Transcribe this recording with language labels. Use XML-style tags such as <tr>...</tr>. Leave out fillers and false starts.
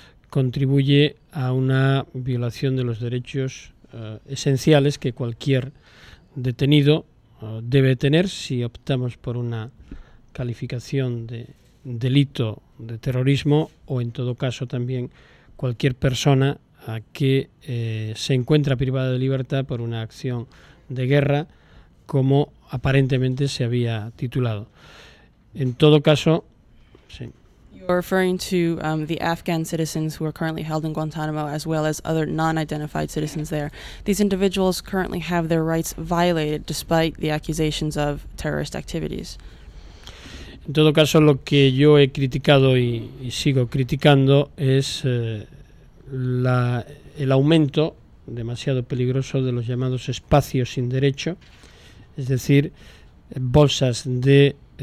<es>contribuye a una violación de los derechos esenciales que cualquier detenido debe tener si optamos por una calificación de delito de terrorismo o, en todo caso, también cualquier persona a que se encuentra privada de libertad por una acción de guerra, como aparentemente se había titulado. En todo caso, sí.</es> <en>You're referring to the Afghan citizens who are currently held in Guantanamo, as well as other non-identified citizens there. These individuals currently have their rights violated despite the accusations of terrorist activities.</en> <es>En todo caso, lo que yo he criticado y sigo criticando es el aumento demasiado peligroso de los llamados espacios sin derecho, es decir, bolsas de</es>